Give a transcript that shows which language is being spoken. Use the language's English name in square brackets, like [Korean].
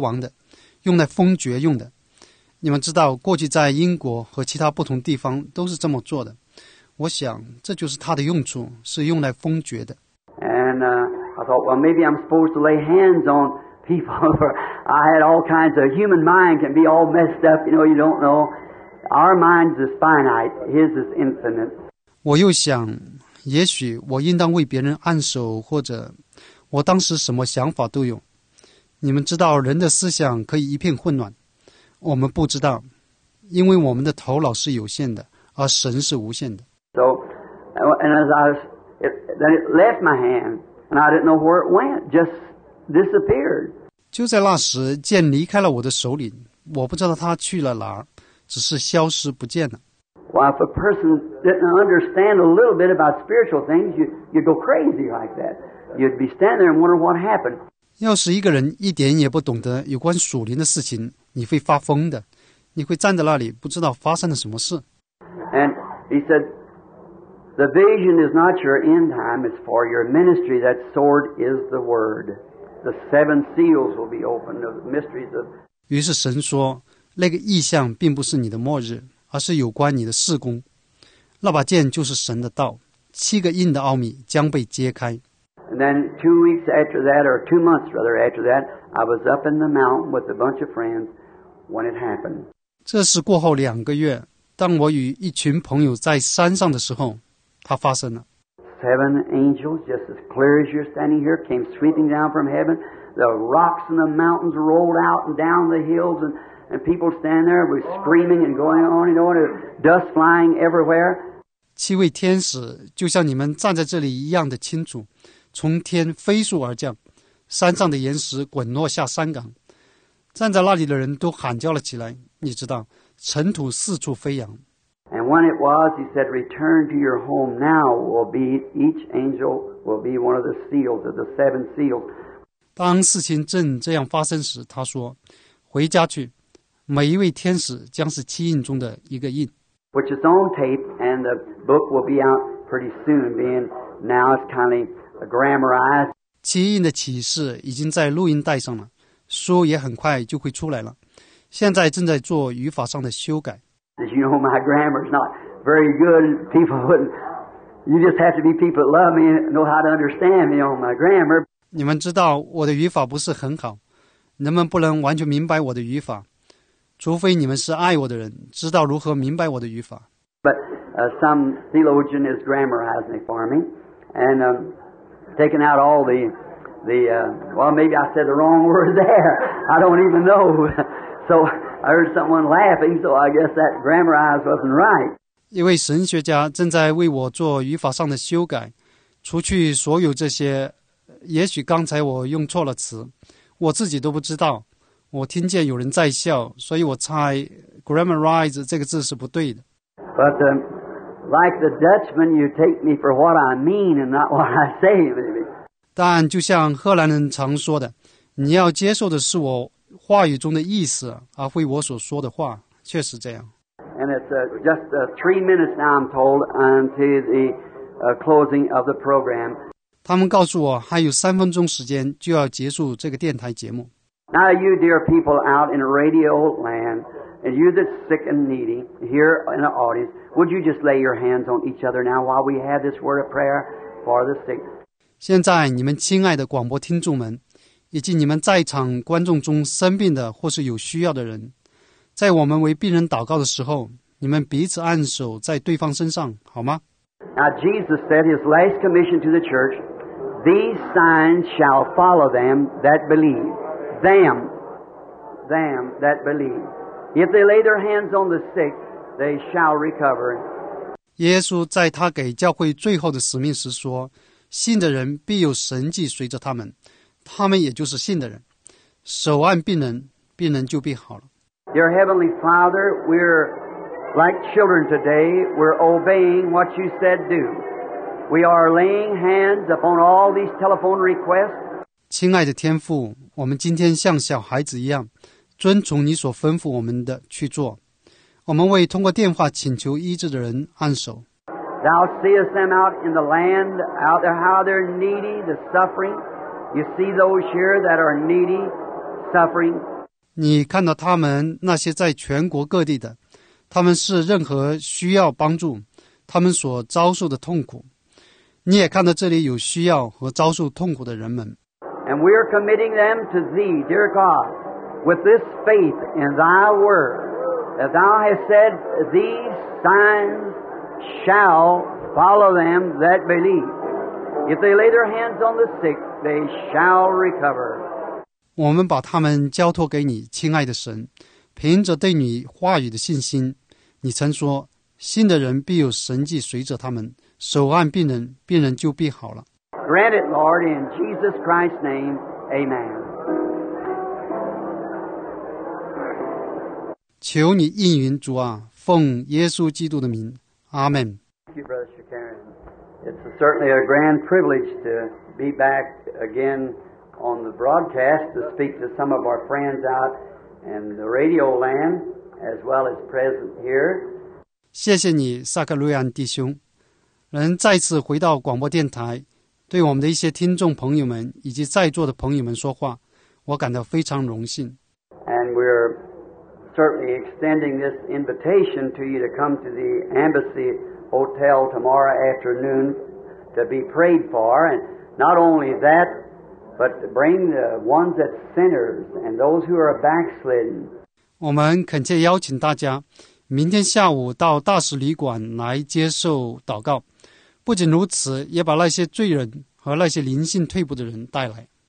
[Chinese] 我就想，一把剑，那么它就像是给一个国王的，用来封爵用的。你们知道，过去在英国和其他不同地方都是这么做的。我想这就是它的用处，是用来封爵的。 [English] And I thought, well, maybe I'm supposed to lay hands on people, for I had all kinds of human mind can be all messed up, you know, you don't know. Our minds is finite, his is infinite. [Chinese] 我又想，也许我应当为别人按手，或者我当时什么想法都有。你们知道，人的思想可以一片混乱，我们不知道，因为我们的头脑是有限的，而神是无限的。 [English] So, and as I was, then it left my hand, and I didn't know where it went, just disappeared. [Chinese] 就在那时，剑离开了我的手里，我不知道它去了哪儿，只是消失不见了。 [English] Well, if a person didn't understand a little bit about spiritual things, you'd go crazy like that. You'd be standing there and wonder what happened. [Chinese] 要是一个人一点也不懂得有关属灵的事情，你会发疯的，你会站在那里不知道发生了什么事。 [English] And he said, the vision is not your end time, it's for your ministry. That sword is the word. The seven seals will be opened of mysteries of. [Chinese] 于是神说，那个异象并不是你的末日，而是有关你的事工。那把剑就是神的道，七个印的奥秘将被揭开。 [English] And then 2 weeks after that, or 2 months rather after that, I was up in the mountain with a bunch of friends when it happened. [Chinese] 这是过后两个月，当我与一群朋友在山上的时候，它发生了。 [English] Seven angels, just as clear as you're standing here, came sweeping down from heaven. The rocks and the mountains rolled out and down the hills, and people stand there were screaming and going on and on, dust flying everywhere. [Chinese] 七位天使就像你们站在这里一样的清楚。从天飞速而降，山上的岩石滚落下山岗，站在那里的人都喊叫了起来，你知道，尘土四处飞扬。 [English] And when it was, he said, return to your home now will be, each angel will be one of the seals of the seven seals. [Chinese] 当事情正这样发生时，他说，回家去，每一位天使将是七印中的一个印。 [English] Which is on tape, and the book will be out pretty soon, being now it's kind of grammarized. [Chinese] 七印的启示已经在录音带上了，书也很快就会出来了，现在正在做语法上的修改。 [English] As you know, my grammar is not very good. People wouldn't. You just have to be people that love me and know how to understand me on my grammar. [Chinese] 你们知道我的语法不是很好，人们不能完全明白我的语法，除非你们是爱我的人，知道如何明白我的语法。 [English] But some theologian is grammarizing it for me, and taken out all the maybe I said the wrong word there. I don't even know. So I heard someone laughing, so I guess that grammarized wasn't right. [Chinese] 一位神学家正在为我做语法上的修改，除去所有这些，也许刚才我用错了词，我自己都不知道。我听见有人在笑，所以我猜 grammarize 这个字是不对的。 [English] But like the Dutchman, you take me for what I mean and not what I say, maybe. [Chinese] 但就像荷兰人常说的，你要接受的是我话语中的意思，而非我所说的话。确实这样。 [English] And it's just 3 minutes now, I'm told, until the closing of the program. [Chinese] 他们告诉我还有三分钟时间就要结束这个电台节目。 [English] Now you dear people out in radio land, and you that's sick and needy here in the audience, would you just lay your hands on each other now while we have this word of prayer for the sick? [Chinese] 现在你们亲爱的广播听众们，以及你们在场观众中生病的或是有需要的人，在我们为病人祷告的时候，你们彼此按手在对方身上，好吗？ [English] Now Jesus said his last commission to the church, these signs shall follow them that believe. Them that believe. If they lay their hands on the sick, they shall recover. [Chinese] 耶稣在他给教会最后的使命时说，信的人必有神迹随着他们，他们也就是信的人，手按病人，病人就必好了。 [English] Dear Heavenly Father, we're like children today, we're obeying what you said do. We are laying hands upon all these telephone requests. [Chinese] 亲爱的天父，我们今天像小孩子一样遵从你所吩咐我们的去做，我们为通过电话请求医治的人按手。 [English] Thou seest them out in the land, out there how they're needy, the suffering. You see those here that are needy, suffering. [Chinese] 你看到他们那些在全国各地的，他们是任何需要帮助，他们所遭受的痛苦。你也看到这里有需要和遭受痛苦的人们。 [English] And we are committing them to thee, dear God, with this faith in thy word, that thou hast said, these signs shall follow them that believe. If they lay their hands on the sick, they shall recover. [Chinese] 我们把他们交托给你，亲爱的神，凭着对你话语的信心，你曾说，信的人必有神迹随着他们，手按病人，病人就必好了。 [English] Grant it, Lord, in Jesus Christ's name, Amen. [Chinese] 求你应允主啊，奉耶稣基督的名，阿门。 [English] Thank you, Brother Shakarian. It's certainly a grand privilege to be back again on the broadcast to speak to some of our friends out in the radio land, as well as present here. [Chinese] 谢谢你，萨克瑞安弟兄，能再次回到广播电台。对我们的一些听众朋友们以及在座的朋友们说话，我感到非常荣幸。 [English] And we're certainly extending this invitation to you to come to the Embassy Hotel tomorrow afternoon to be prayed for. And not only that, but to bring the ones that sinners and those who are backslidden. [Chinese] 我们恳切邀请大家明天下午到大使旅馆来接受祷告。不仅如此，也把那些罪人和那些灵性退步的人带来。